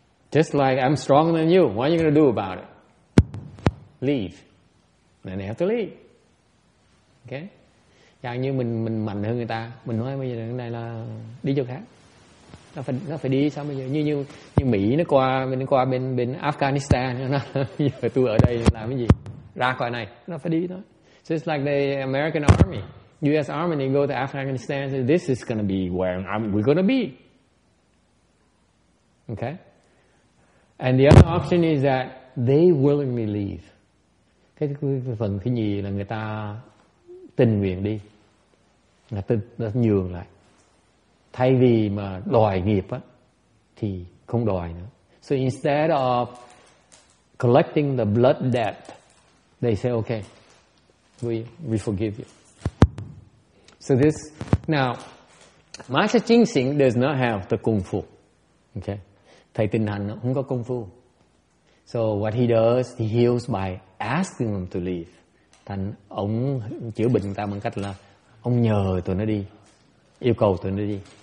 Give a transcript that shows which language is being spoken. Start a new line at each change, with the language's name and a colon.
English: Just like I'm stronger than you, what are you going to do about it? Leave. Then they have to leave. Okay?
Vietnamese: Chẳng như mình mạnh hơn người ta, mình nói bây giờ cái này là đi chỗ khác. nó phải đi sao bây giờ như Mỹ nó qua bên bên Afghanistan, nó bây giờ tôi ở đây làm cái gì, ra khỏi này nó phải đi thôi.
English: So it's like the American Army, U.S. Army, they go to Afghanistan. So this is going to be where we're going to be. Okay. And the other option is that they willingly leave.
Vietnamese: Cái phần thứ nhì là người ta tình nguyện đi, nó nhường lại. Thay vì mà đòi nghiệp á, thì không đòi nữa.
English: So instead of collecting the blood debt, they say, okay, we forgive you. So this, now, Master Ching Xing does not have the kung fu. Okay?
Vietnamese: Thầy Tinh Hành không có kung fu.
English: So what he does, he heals by asking them to leave.
Vietnamese: Thành ông chữa bệnh người ta bằng cách là ông nhờ tụi nó đi, yêu cầu tụi nó đi.